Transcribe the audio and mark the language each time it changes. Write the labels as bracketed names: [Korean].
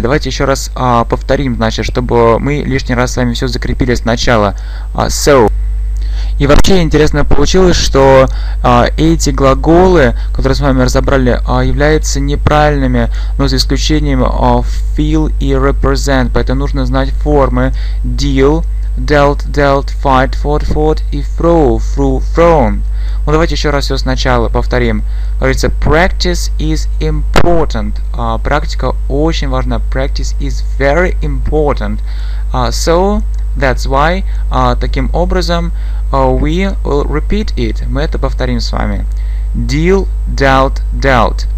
[Russian] Давайте еще раз повторим, значит, чтобы мы лишний раз с вами все закрепили сначала. So. И вообще интересно получилось, что эти глаголы, которые с вами разобрали, являются неправильными, но за исключением feel и represent. Поэтому нужно знать формы [English] deal, dealt, dealt, fight, fought, fought и throw, threw, thrown. [Russian] Ну, давайте еще раз все сначала повторим. Говорится, [English] practice is important. [Russian] Практика очень важна. [English] Practice is very important. So, that's why, [Russian] таким образом, [English] we will repeat it. [Russian] Мы это повторим с вами. [English] Deal, dealt, dealt.